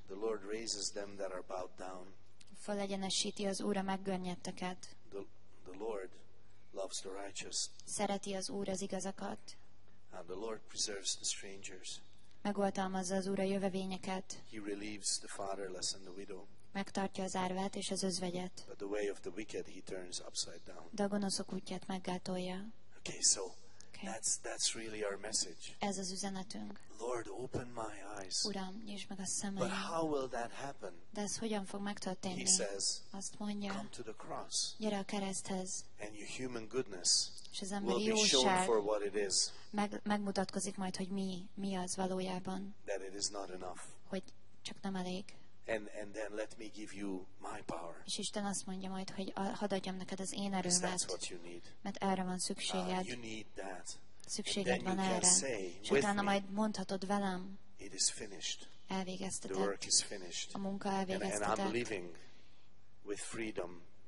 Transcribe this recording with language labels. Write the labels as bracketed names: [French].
[English] The Lord raises them that are bowed down. [Hungarian] Fölegyenesíti az Úr a meggörnyedteket. [English] The Lord loves the righteous. [Hungarian] Szereti az Úr az igazakat. [English] And the Lord preserves the strangers. [Hungarian] Megoltalmazza az Úr a jövevényeket. [English] He relieves the fatherless and the widow. [Hungarian] Megtartja az árvát és az özvegyet. [English] But the way of the wicked he turns upside down. [Hungarian] De a gonoszok útját meggátolja. [English] Okay, so okay. That's really our message. [Hungarian] Ez az üzenetünk. [English] Lord, open my eyes. [Hungarian] Uram, nyisd meg a szemeim. [English] But how will that happen? [Hungarian] De ez hogyan fog megtörténni? [English] He says, [Hungarian] azt mondja, [English] come to the cross. [Hungarian] Gyere a kereszthez. [English] And your human goodness. [Hungarian] És az emberi jóság megmutatkozik majd, hogy mi az valójában. [English] That it is not enough. [Hungarian] Hogy csak nem elég. [English] And then let me give you my power. [Hungarian] És Isten azt mondja majd, hogy hadd adjam neked az én erőmet. [English] That's what you need. [Hungarian] Mert erre van szükséged. [English] You need that. [Hungarian] Szükséged van erre. [English] Say, [Hungarian] és utána majd mondhatod velem. [English] It is finished. [Hungarian] Elvégeztetett. [English] The work is finished. [Hungarian] A munka elvégeztetett. [English] And I'm living with freedom.